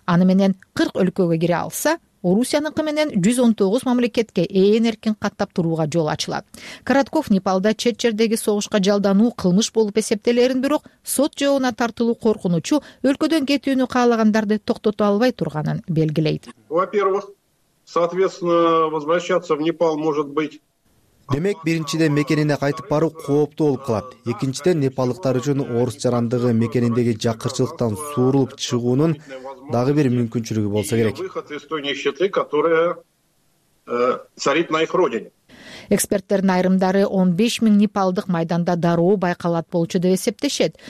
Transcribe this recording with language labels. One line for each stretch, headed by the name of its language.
Kyrgyz: Аны менен 40 өлкөгө кире алса, Орусиянынкы менен 119 мамлекетке ээн эркин каттап турууга жол ачылат. Коротков Непалда чет жердеги согушка жалдануу кылмыш болуп эсептелерин, бирок сот жообуна тартылуу коркунучу өлкөдөн кетүүнү каалагандарды токтото албай турганын белгилейт.
Russian: Во-первых, соответственно, возвращаться в Непал может быть.
Kyrgyz: Демек, биринчиден мекенине кайтып баруу кооптуу болуп калат. Экинчиден, непалдыктар үчүн орус жарандыгы мекениндеги жакырчылыктан суурулуп чыгуунун дагы бир мүмкүнчүлүгү болсо керек. Эксперттердин айрымдары 15 миң непалдык майданда дароо байкалат болчу деп эсептешет.